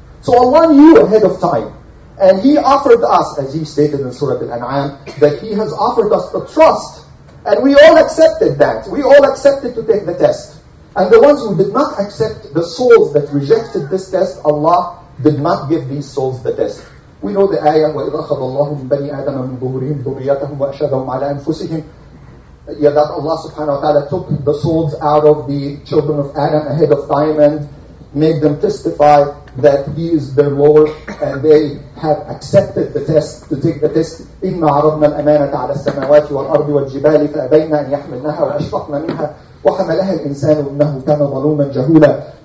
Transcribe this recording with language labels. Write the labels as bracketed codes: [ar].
[en] So Allah knew ahead of time. And He offered us, as He stated in Surah Al-An'am, that He has offered us the trust. And we all accepted that. We all accepted to take the test. And the ones who did not accept, the souls that rejected this test, Allah did not give these souls the test. We know the ayah, [ar] وَإِذْ أَخَذَ اللَّهُ مِنْ بَنِي آدَمَ مِنْ ظُهُورِهِمْ ذُرِّيَّتَهُمْ وَأَشْهَدَهُمْ عَلَىٰ أَنفُسِهِمْ. [en] Yeah, that Allah subhanahu wa ta'ala took the souls out of the children of Adam ahead of time and made them testify that He is their Lord, and they have accepted the test, to take the test. [ar] إِنَّ عَرَضْنَا الْأَمَانَةَ عَلَى السَّمَاوَاتِ وَالْأَرْضِ وَالْجِبَالِ فَأَبَيْنَا أَنْ يَحْمِلْنَهَا وَأَشْفَقْنَ مِنْهَا وَحَمَلَهَا الْإِنسَانُ إِنَّهُ كَانَ ظَلُومًا جَهُولًا.